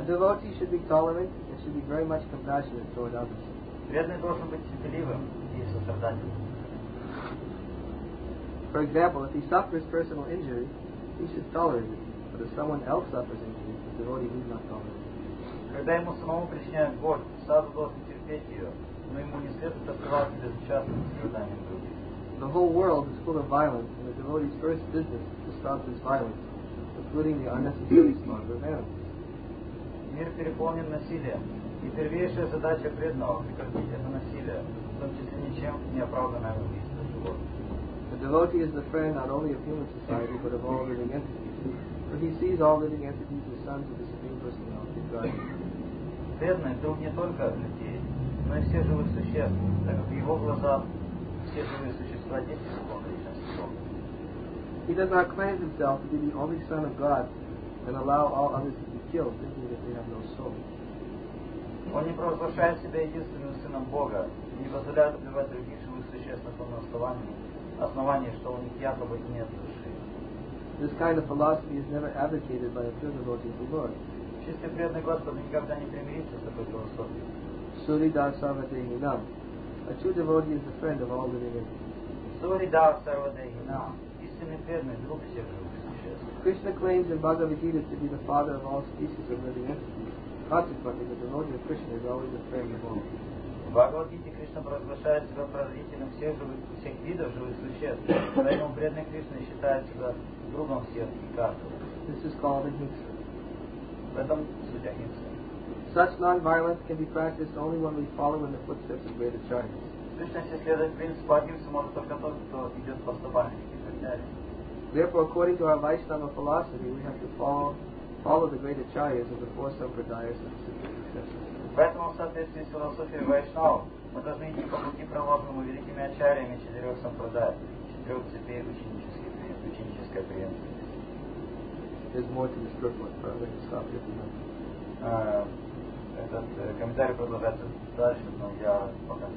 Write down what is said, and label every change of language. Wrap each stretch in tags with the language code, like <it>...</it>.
<en>A devotee should be tolerant and should be very much compassionate toward others.</en> <ru>Преданный должен быть терпеливым и сострадательным.</ru> <en>For example, if he suffers personal injury, he should tolerate it. But if someone else suffers injury, the devotee need not tolerate it.</en> <ru>Когда ему самому причиняют боль, саду должен терпеть ее, но ему не следует оставаться безучастным страданием других.</ru> <en>The whole world is full of violence, and the devotee's first business is to stop this violence, including the unnecessary slaughter of animals.</en> <ru>Мир переполнен насилием, и первейшая задача преданного — прекратить это насилие, в том числе ничем неоправданное убийство животных.</ru> <en>The devotee is the friend not only of human society, but of all living entities. For he sees all living entities as sons of the Supreme Personality of God.</en> <ru>Преданный друг не только людей, но и всех живых существ, так как в его глазах все живые существа дети Бога.</ru> <en>He does not claim himself to be the only son of God and allow all others to be killed, thinking that they have no soul.</en> <ru>Он не провозглашает себя единственным сыном Бога и не позволяет убивать других живых существ на том основании. Основание, что у них якобы нет души.</ru> <en>This kind of philosophy is never advocated by a pure devotee of the Lord.</en> <ru>Чистый преданный Господа никогда не примирится с такой философией. Suridhar Sarvadehi Nam.</ru> <en>A true devotee is the friend of all living entities. Suridhar Sarvadehi Nam.</en> <ru>Истинный преданный друг всех живых существ.</ru> <en>Krishna claims in Bhagavad Gita to be the father of all species of living entities. Consequently, the devotee of Krishna is always the friend of all.</en> <ru>В Бхагавад-гите Кришна провозглашает себя прародителем всех видов живых существ, поэтому преданный Кришна считает себя другом всех и каждого.</ru> <en>This is called ahimsa.</en> <ru>В этом суть ахимсы.</ru> <en>Such non-violence can be practiced only when we follow in the footsteps of great acharyas.</en> <ru>В сущности, следовать принципу ахимсы может только тот, кто идет по стопам великих ачарьев.</ru> <en>Therefore, according to our Vaishnava philosophy, we have to follow the great acharyas of the four sampradayas and the</en> <ru>Поэтому, в соответствии с философией Вайшнава, мы должны идти по пути, проложенному великими ачарьями четырех сампрадай, четырех цепей ученической преемственности. Этот комментарий продолжается дальше, но я пока не</ru>